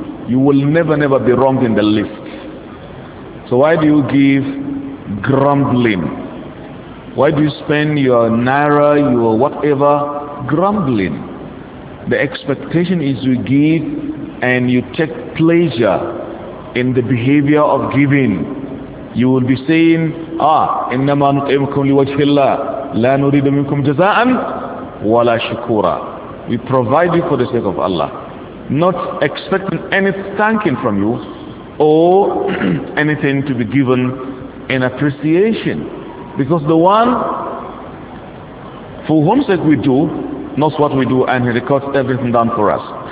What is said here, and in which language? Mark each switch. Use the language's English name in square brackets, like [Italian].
[English] You will never be wrong in the list. So why do you give grumbling? Why do you spend your naira, your whatever, grumbling? The expectation is you give and you take pleasure in the behavior of giving. You will be saying, [Arabic] إِنَّمَا نُطْعِمُكُمْ لِوَجْهِ اللَّهِ لَا نُرِيدُ مِنْكُمْ جَزَاءً وَلَا شُكُورًا. [English] We provide you for the sake of Allah, not expecting any thanking from you or anything to be given in appreciation. Because the one for whom sake we do knows what we do, and he records everything done for us.